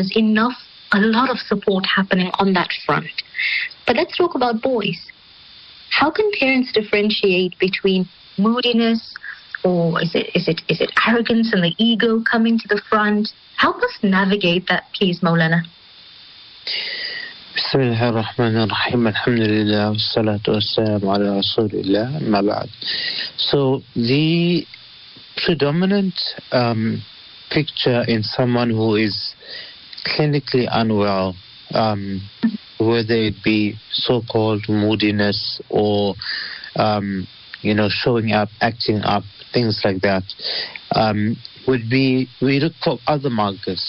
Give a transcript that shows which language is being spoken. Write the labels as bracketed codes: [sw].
[en] There's enough, a lot of support happening on that front. But let's talk about boys. How can parents differentiate between moodiness, or is it arrogance and the ego coming to the front? Help us navigate that, please, Maulana. [ar] بسم الله الرحمن الرحيم الحمد لله والصلاة والسلام على رسول الله ما بعد. [en] So the predominant picture in someone who is clinically unwell, whether it be so-called moodiness or showing up, acting up, things like that, would be, we look for other markers.